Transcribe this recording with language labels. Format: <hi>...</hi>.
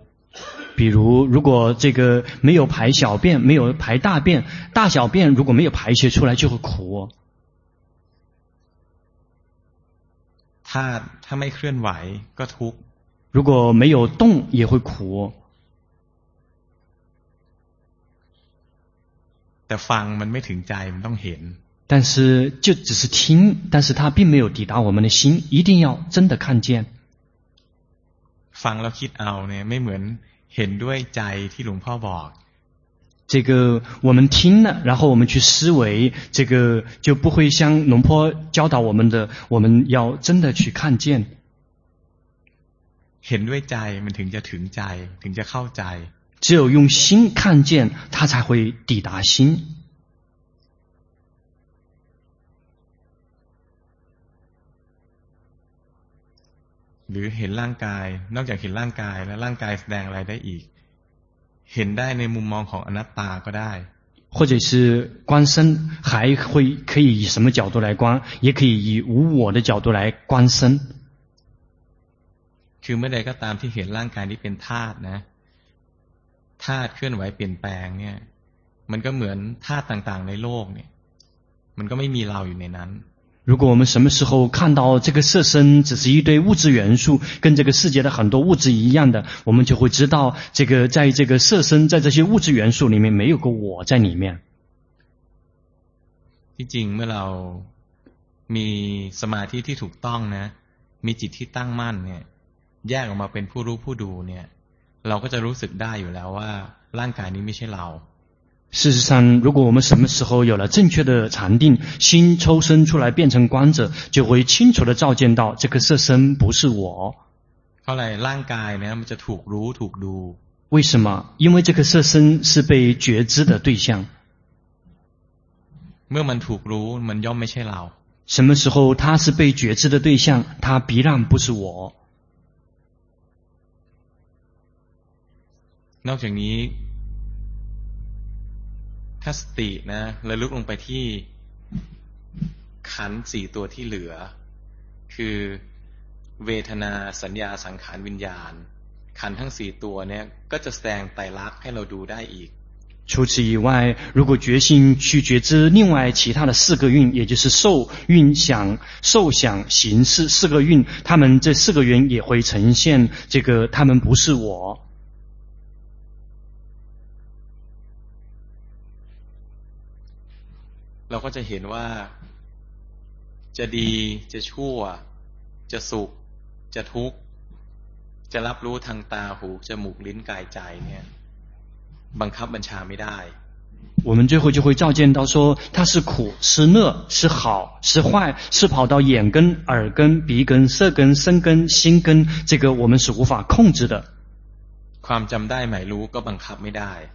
<zh>比如如果这个没有排小便没有排大便大小便如果没有排泄出来就会苦</zh> <th>ธาตุถ้าไม่เคลื่อนไหวก็ทุกข์</th> <zh>如果没有动也会苦</zh> <th>แต่ฟังมันไม่ถึงใจมันต้องเห็น</th> <zh>但是就只是听但是它并没有抵达我们的心一定要真的看见</zh> <th>ฟังแล้วคิดเอาเนี่ยไม่เหมือนเห็นด้วยใจที่หลวงพ่อบอก</th> <zh>这个我们听了然后我们去思维这个就不会像龙坡教导我们的我们要真的去看见</zh> <th>เห็นด้วยใจมันถึงจะถึงใจถึงจะเข้าใจ</th> <zh>只有用心看见它才会抵达心</zh> <th>หรือเห็นร่างกายนอกจากเห็นร่างกายแล้วร่างกายแสดงอะไรได้อีกเห็นได้ในมุมมองของอนัตตาก็ได้</th> <zh>或者是观身还会可以以什么角度来观也可以以无我的角度来观身</zh> <th>คือเมื่อใดก็ตามที่เห็นร่างกายที่เป็นธาตุนะธาตุเคลื่อนไหวเปลี่ยนแปลงเนี่ยมันก็เหมือนธาตุต่างๆในโลกเนี่ยมันก็ไม่มีเราอยู่ในนั้น</th> <zh>如果我们什么时候看到这个色身只是一堆物质元素跟这个世界的很多物质一样的我们就会知道这个在这个色身在这些物质元素里面没有个我在里面</zh> <th>จริงเมื่อเรา มีสมาธิที่ถูกต้องนะมีจิตที่ตั้งมั่นเนี่ยแยกออกมาเป็นผู้รู้ผู้ดูเนี่ยเราก็จะรู้สึกได้อยู่แล้วว่าร่างกายนี้ไม่ใช่เรา</th> <zh>事实上如果我们什么时候有了正确的禅定心抽身出来变成观者就会清楚地照见到这个色身不是我后来</zh> <th>ร่างกายเนี่ยมันจะถูกรู้ถูกดู</th> <zh>为什么因为这个色身是被觉知的对象</zh> <th>เมื่อมันถูกรู้มันย่อมไม่ใช่เรา</th> <zh>什么时候它是被觉知的对象它必然不是我</zh> <th>นอกจากนี้ถ้าสตินะระลึกลงไปที่ขันธ์สี่ตัวที่เหลือคือเวทนาสัญญาสังขารวิญญาณขันธ์ทั้งสี่ตัวเนี่ยก็จะแสดงไตรลักษณ์ให้เราดูได้อีก</th> <zh>除此以外如果决心去觉知另外其他的四个蕴也就是受蕴想受想行识四个蕴他们这四个蕴也会呈现这个他们不是我</zh> <th>เราก็จะเห็นว่าจะดีจะชั่วจะสุขจะทุกข์จะรับรู้ทางตาหูจมูกลิ้นกายใจเนี่ยบังคับบัญชาไม่ได้</th> <zh>我们最后就会照见到说它是苦是乐是好是坏是跑到眼根耳根鼻根色根身根心根这个我们是无法控制的</zh> <th>ความจำได้ไม่รู้ก็บังคับไม่ได้</th>